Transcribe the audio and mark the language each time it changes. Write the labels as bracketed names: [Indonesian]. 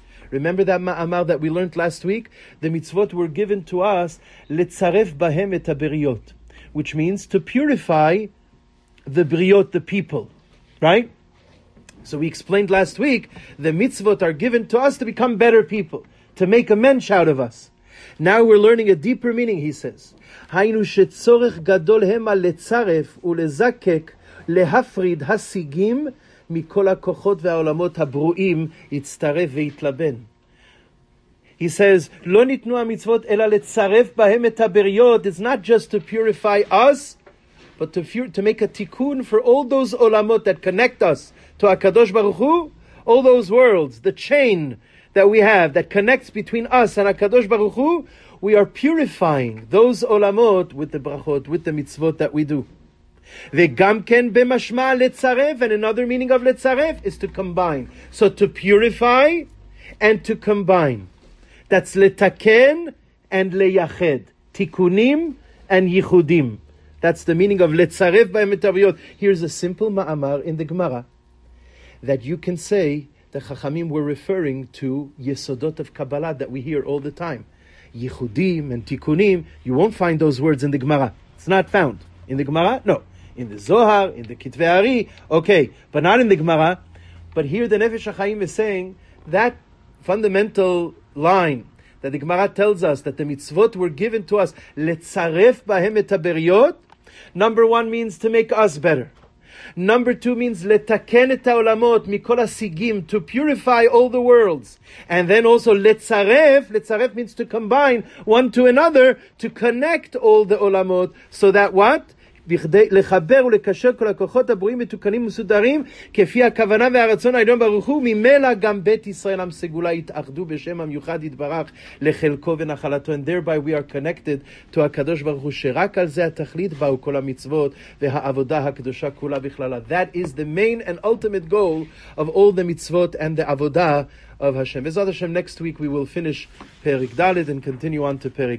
[English] Remember that ma'amar that we learned last week? The mitzvot were given to us [Hebrew] לצרף בהם את הבריות, [English] which means to purify the בריות, the people, right? So we explained last week, the mitzvot are given to us to become better people, to make a mensch out of us. Now we're learning a deeper meaning, he says. [Hebrew] היינו שצורך גדול המה לצרף ולזקק להפריד השיגים מכל הכוחות והעולמות הברואים יצטרף ויתלבן. [English] He says, [Hebrew] לא ניתנו המצוות אלא לצרף בהם את הבריות. [English] It's not just to purify us, but to make a תיקון for all those עולמות that connect us to HaKadosh Baruch Hu, all those worlds, the chain that we have that connects between us and HaKadosh Baruch Hu, we are purifying those עולמות with the brachot, with the mitzvot that we do. [Hebrew] וגם כן במשמע לצרף, [English] and another meaning of לצרף is to combine. So to purify and to combine. That's לתקן and ליחד. [Hebrew] תיקונים and ייחודים. [English] That's the meaning of [Hebrew] לצרף בהם את הבריות. [English] Here's a simple ma'amar in the Gemara that you can say the Chachamim were referring to יסודות of Kabbalah that we hear all the time. [Hebrew] ייחודים and תיקונים. [English] You won't find those words in the Gemara. It's not found. In the Gemara? No. In the Zohar, in the Kitve Ari, okay, but not in the Gemara. But here the Nefesh HaChaim is saying that fundamental line that the Gemara tells us that the mitzvot were given to us, [Hebrew] letzaref bahem et haberiyot, [English] number one means to make us better. Number two means [Hebrew] letaken et haolamot mikol ha-sigim, [English] to purify all the worlds. And then also letzaref means to combine one to another, to connect all the olamot, so that what? [Hebrew] בכדי לחבר ולקשר כל הכוחות הברואים מתוקנים ומסודרים, כפי הכוונה והרצון העליון ברוך הוא, ממילא גם בית ישראל עם סגולה יתאחדו בשם המיוחד יתברך לחלקו ונחלתו. [English] And thereby we are connected to הקדוש ברוך הוא, [Hebrew] שרק על זה התכלית באו כל המצוות והעבודה הקדושה כולה בכללה. [English] That is the main and ultimate goal of all the mitzvot and the עבודה of Hashem. בעזרת Hashem, next week we will finish פרק ד' and continue on to פרק ה'.